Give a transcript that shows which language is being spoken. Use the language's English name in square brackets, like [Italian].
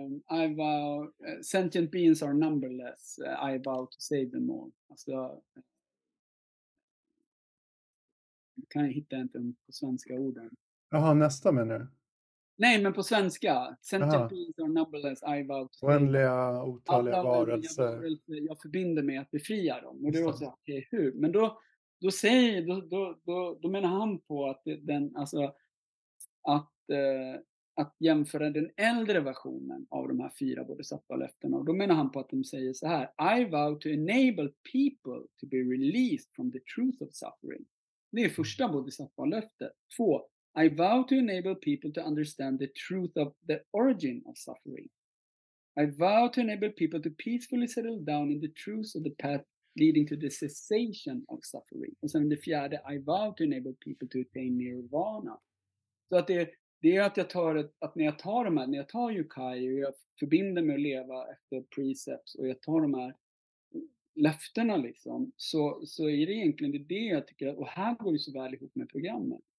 [English] I vow, sentient beings are numberless, I vow to save them all. [Swedish] Alltså, kan jag hitta inte på svenska orden. Jaha, nästa menar du? Nej, men på svenska. [English] Sentient beings are numberless, I vow to save them all. [Swedish] Oändliga, otaliga varelser. Jag förbinder mig att befria dem. Och det är också, okej, hur? Men då menar han på att den, alltså, att jämföra den äldre versionen av de här fyra bodhisattva-löftena. Och då menar han på att de säger så här: [English] I vow to enable people to be released from the truth of suffering. [Swedish] Det är första bodhisattva-löftet. 2. [English] I vow to enable people to understand the truth of the origin of suffering. I vow to enable people to peacefully settle down in the truth of the path leading to the cessation of suffering. [Swedish] Och sen det fjärde: [English] I vow to enable people to attain nirvana. [Swedish] Så att det är att jag tar när jag tar yukai och jag förbinder mig att leva efter precepts och jag tar de här löfterna liksom, så är det egentligen det jag tycker, och här går det så väl ihop med programmet.